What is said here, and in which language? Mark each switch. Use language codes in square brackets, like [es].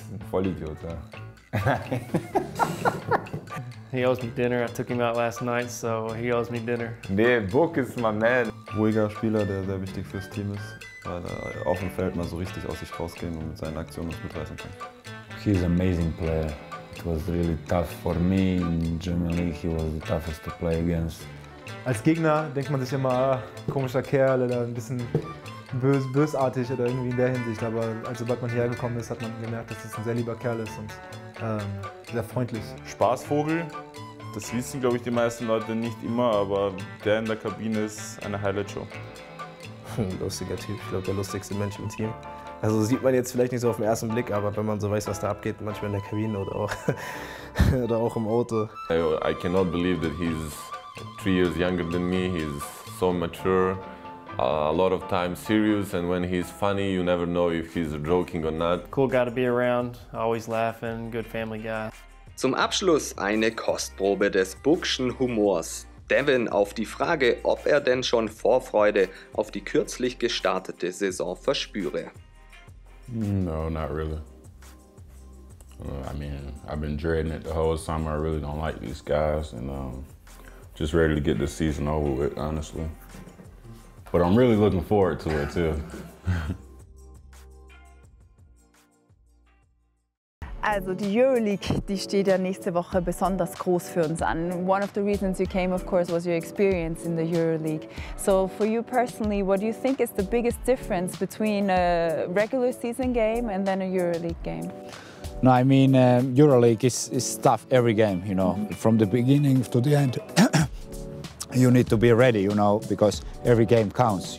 [de] Vollidiot, ja. [en] He owes me dinner, I took him out last night, so he owes me dinner. [de] Nee, Book ist mein Mann. Ruhiger Spieler, der sehr wichtig fürs Team ist. Weil er auf dem Feld mal so richtig aus sich rausgehen und mit seinen Aktionen uns mitreißen kann. [en] He is an amazing player. It was really tough for me in German League. He was the toughest to play against. [de] Als Gegner denkt man sich immer, komischer Kerl oder ein bisschen bösartig oder irgendwie in der Hinsicht. Aber sobald man hierher gekommen ist, hat man gemerkt, dass es ein sehr lieber Kerl ist und sehr freundlich. Spaßvogel, das wissen, glaube ich, die meisten Leute nicht immer, aber der in der Kabine ist eine Highlight-Show. Lustiger Typ, ich glaube der lustigste Mensch im Team. Also sieht man jetzt vielleicht nicht so auf den ersten Blick, aber wenn man so weiß, was da abgeht, manchmal in der Kabine oder auch, oder auch im Auto. [en] I cannot believe that he's 3 years younger than me. He's so mature, a lot of time serious, and when he's funny, you never know if he's joking or not. Cool guy to be around, always laughing, good family guy. [de] Zum Abschluss eine Kostprobe des Bookschen Humors. Devin auf die Frage, ob er denn schon Vorfreude auf die kürzlich gestartete Saison verspüre. [en] No, not really. I mean, I've been dreading it the whole summer. I really don't like these guys and just ready to get the season over with, honestly. But I'm really looking forward to it too. [de] Also die Euroleague, die steht ja nächste Woche besonders groß für uns an. [en] One of the reasons you came, of course, was your experience in the Euroleague. So for you personally, what do you think is the biggest difference between a regular season game and then a Euroleague game? No, I mean, Euroleague is tough every game, you know, mm-hmm. from the beginning to the end. You need to be ready, you know, because every game counts.